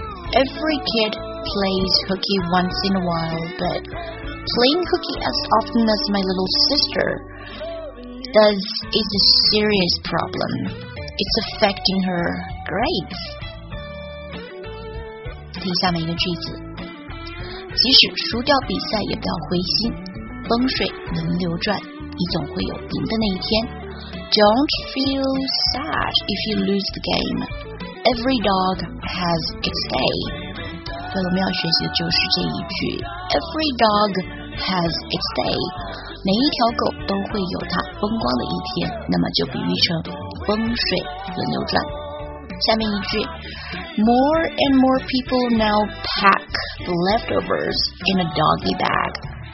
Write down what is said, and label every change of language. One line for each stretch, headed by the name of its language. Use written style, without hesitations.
English: Every kid plays hooky once in a while, but playing hooky as often as my little sister does is a serious problem. It's affecting her grades.
Chinese: 听下面一个句子：即使输掉比赛，也不要灰心。风水轮流转，你总会有赢的那一天。
English: Don't feel sad if you lose the game. Every dog has its day.
Chinese: 所以我们要学习的就是这一句
English: ：Every dog has its day.
Chinese: 每一条狗都会有它风光的一天。那么就比喻成风水轮流转。
English: 下面一句 ：More and more people now pack leftovers in a doggy bag.